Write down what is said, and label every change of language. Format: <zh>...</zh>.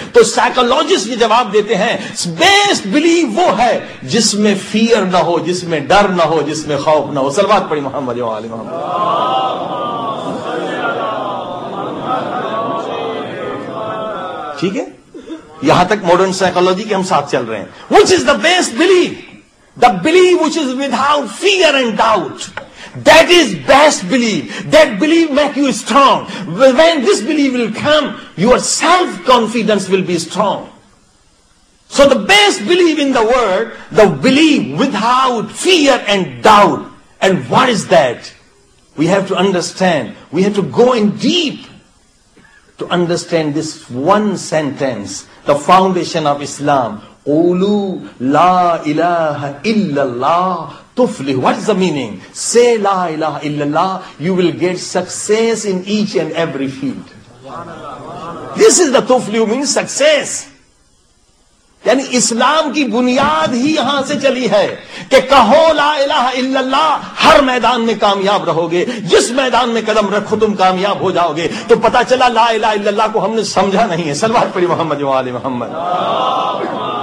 <ur>تو سائیکولوجسٹ یہ جواب دیتے ہیں, بیسٹ بلیو وہ ہے جس میں فیئر نہ ہو, جس میں ڈر نہ ہو, جس میں خوف نہ ہو. صلوات پڑی محمد و آل محمد. ٹھیک ہے, یہاں تک ماڈرن سائیکولوجی کے ہم ساتھ چل رہے ہیں.</ur> <en>Which is the best belief, the belief which is without fear and doubt. That is best belief. That belief make you strong. When this belief will come, your self-confidence will be strong. So the best belief in the world, the belief without fear and doubt. And what is that? We have to understand. We have to go in deep to understand this one sentence, the foundation of Islam.</en> <ar>قولوا لا الہ الا اللہ تفلح.</ar> <en>What is the meaning? Say la ilaha illallah, you will get success in each and every field. This is the tuflihu, means success.</en> <ur>یعنی اسلام کی بنیاد ہی یہاں سے چلی ہے کہ کہو لا الہ الا اللہ, ہر میدان میں کامیاب رہو گے. جس میدان میں قدم رکھو تم کامیاب ہو جاؤ گے. تو پتا چلا لا الہ الا اللہ کو ہم نے سمجھا نہیں ہے. صلوات پڑی محمد و آل محمد.</ur>